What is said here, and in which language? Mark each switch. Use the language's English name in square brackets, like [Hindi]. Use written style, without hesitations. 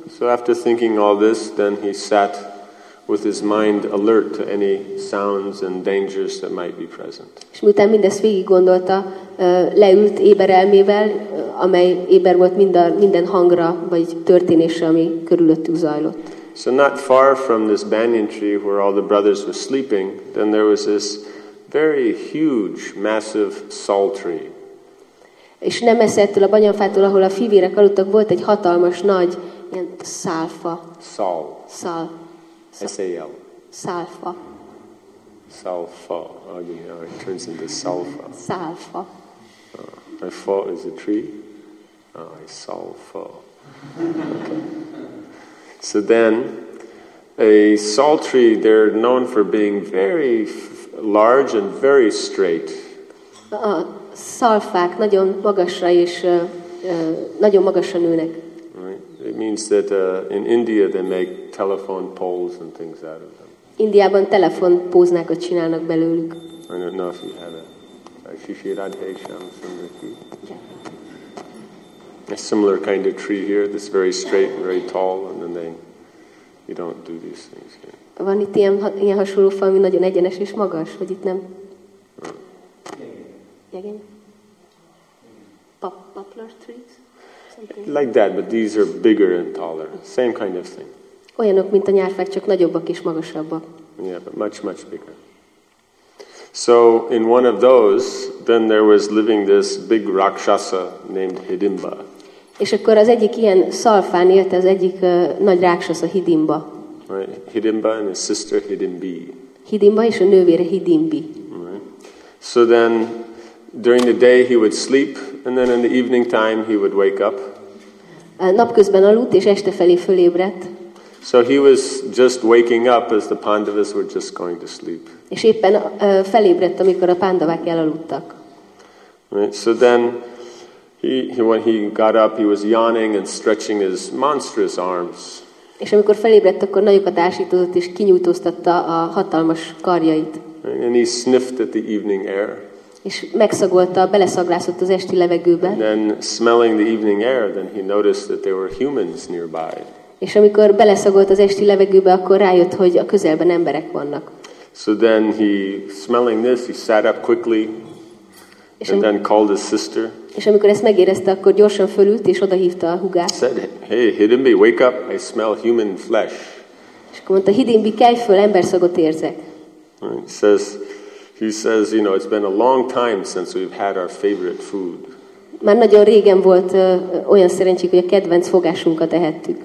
[English] So after thinking all this, then he sat with his mind alert to any sounds and dangers that might be present. [Hungarian] És miután mindezt végig gondolta, leült éber elmével, amely éber volt minden hangra vagy történésre, ami körülöttük zajlott. [English] So not far from this banyan tree where all the brothers were sleeping, then there was this very huge, massive sal tree. [Hungarian] És nem messze ettől a banyanfától, ahol a fivérek aludtak, volt egy hatalmas, nagy ilyen szálfa. [English] Sal. Sal. S-A-L. [Hungarian] Szálfa. [English] Szálfa. Oh, yeah. It turns into szálfa. [Hungarian] Szálfa. [English] A fa is a tree. Oh, a szálfa. Okay. So then, a sal tree, they're known for being very large and very straight. [Hungarian] A szálfák nagyon magasra és nagyon magasra nőnek. [English] It means that in India they make telephone poles and things out of them. [Hungarian] Indiában telefonpóznákat csinálnak belőlük. [English] I don't know if you have a Shishi Radhe Shyam Sundar ki. A similar kind of tree here, that's very straight and very tall, and then you don't do these things here. [Hungarian] Van itt ilyen hasonló fa, ami nagyon egyenes és magas, vagy itt nem? [English] Jegény? Poplar trees? Like that, but these are bigger and taller. Same kind of thing. [Hungarian] Olyanok, mint a nyárfák, csak nagyobbak és magasabbak. [English] Yeah, but much, much bigger. So, in one of those, then there was living this big rakshasa named Hidimba. [Hungarian] És akkor az egyik ilyen szalfán élt az egyik nagy rakshasa, Hidimba. [English] Right. Hidimba and his sister Hidimbi. [Hungarian] Hidimba és a nővére Hidimbi. [English] Right. So then, During the day he would sleep, and then in the evening time he would wake up. [Hungarian] Napközben aludt, és este felé fölébredt. [English] So he was just waking up as the Pandavas were just going to sleep. [Hungarian] És éppen felébredt, amikor a Pandavák elaludtak. [English] Right, so then when he got up, he was yawning and stretching his monstrous arms. [Hungarian] És amikor felébredt, akkor nagyokat ásítozott és kinyújtóztatta a hatalmas karjait. [English] Right, and he sniffed at the evening air. [Hungarian] És megszagolta, beleszaglászott az esti levegőbe. [English] And then smelling the evening air, then he noticed that there were humans nearby. [Hungarian] És amikor beleszagolt az esti levegőbe, akkor rájött, hogy a közelben emberek vannak. [English] So then he, smelling this, he sat up quickly and then called his sister. [Hungarian] És amikor ezt megérezte, akkor gyorsan fölült és odahívta a húgát. [English] Said, hey, Hidimbi, wake up, I smell human flesh. [Hungarian] És akkor mondta, Hidimbi, kelj föl, emberszagot érzek. [English] He says, you know, it's been a long time since we've had our favorite food. [Hungarian] Már nagyon régen volt olyan szerencsék, hogy a kedvenc fogásunkat ehettük.